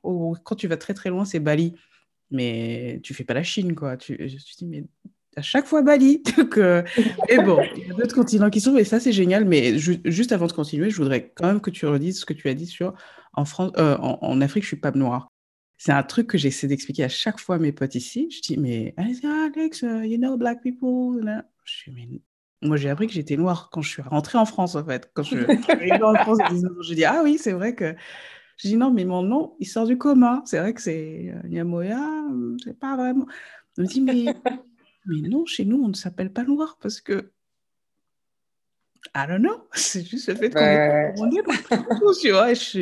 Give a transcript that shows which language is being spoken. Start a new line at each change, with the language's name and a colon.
French: Ou quand tu vas très très loin, c'est Bali, mais tu fais pas la Chine, quoi. Je dis, mais à chaque fois, Bali. Mais bon, il y a d'autres continents qui sont, et ça, c'est génial, mais juste avant de continuer, je voudrais quand même que tu redises ce que tu as dit sur. En France, en Afrique, je suis pas noire. C'est un truc que j'essaie d'expliquer à chaque fois à mes potes ici. Je dis, mais
English: Alex, you know black people.
French: Là. Je suis, mais moi, j'ai appris que j'étais noire quand je suis rentrée en France, en fait. Quand je suis arrivée en France, je dis, ah oui, c'est vrai que. Je dis, non, mais mon nom, il sort du commun. C'est vrai que c'est Nyamoya, c'est pas vraiment. Je me dis, mais Mais non, chez nous, on ne s'appelle pas noir parce que...
English: I don't know,
French: c'est juste le fait qu'on est dans le prénom, tu vois.